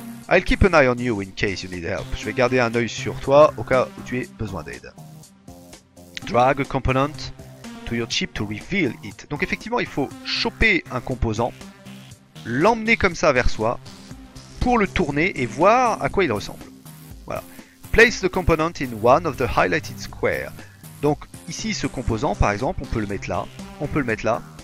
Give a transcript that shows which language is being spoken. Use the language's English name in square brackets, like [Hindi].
[English] I'll keep an eye on you in case you need help. [French] Je vais garder un œil sur toi au cas où tu aies besoin d'aide. [English] Drag a component to your ship to reveal it. [French] Donc effectivement, il faut choper un composant, l'emmener comme ça vers soi, pour le tourner et voir à quoi il ressemble. Voilà. [English] Place the component in one of the highlighted squares. [French] Donc ici, ce composant, par exemple, on peut le mettre là, on peut le mettre là.